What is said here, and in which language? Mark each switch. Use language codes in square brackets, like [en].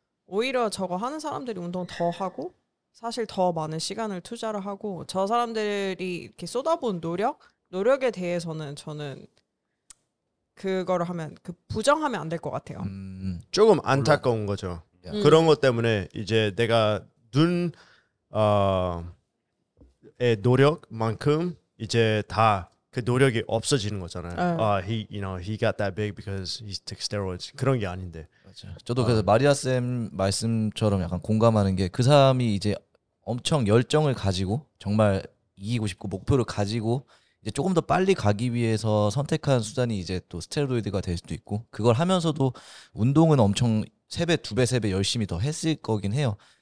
[ko] 오히려 저거 하는 사람들이 운동 더 하고 사실 더 많은 시간을 투자를 하고 저 사람들이 이렇게 쏟아본 노력에 대해서는 저는 그거를 하면 그 부정하면 안 될 것 같아요. 조금 안타까운 물론. 거죠. [en] Yeah. [ko] 그런 것 때문에 이제 내가 눈의 노력만큼 이제 다 그 노력이 없어지는 거잖아요. [en] 아, he, you know, he got that big because he took steroids. [ko] 그런 게 아닌데. 맞아. 저도 그래서 마리아 쌤 말씀처럼 약간 공감하는 게 그 사람이 이제 엄청 열정을 가지고 정말 이기고 싶고 목표를 가지고. 이제 조금 더 빨리 가기 위해서 선택한 수단이 이제 또 스테로이드가 될 수도 있고 그걸 하면서도 운동은 엄청 세 배 열심히 더 했을 거긴 해요.